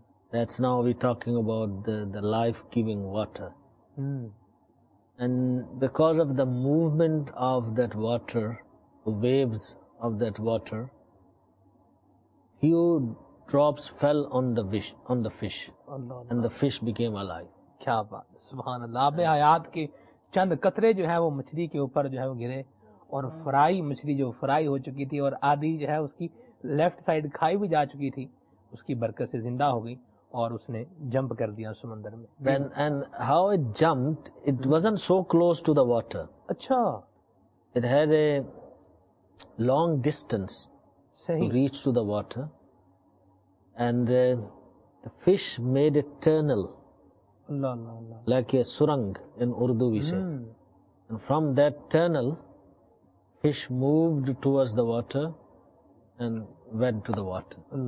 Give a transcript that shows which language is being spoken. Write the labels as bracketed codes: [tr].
[en] That's now we're talking about the life-giving water. And because of the movement of that water, waves of that water, few drops fell on the fish. Allah and the fish became alive. [ur] کیا بات سبحان اللہ. آب حیات کے چند قطرے جو ہیں وہ مچھلی کے اوپر جو ہے وہ گرے اور فرائی مچھلی جو فرائی ہو چکی تھی اور آدھی جو ہے اس کی لیفٹ سائیڈ کھائی بھی جا چکی تھی اس کی برکت سے زندہ ہو گئی اور اس نے جمپ کر دیا سمندر میں. [en] And how it jumped, it wasn't so close to the water. [ur] اچھا. [en] It had a long distance. [ur] صحیح. [en] To reach to the water and the fish made eternal. like a surang in Urdu we say. And from that tunnel, fish moved towards the water and went to the water.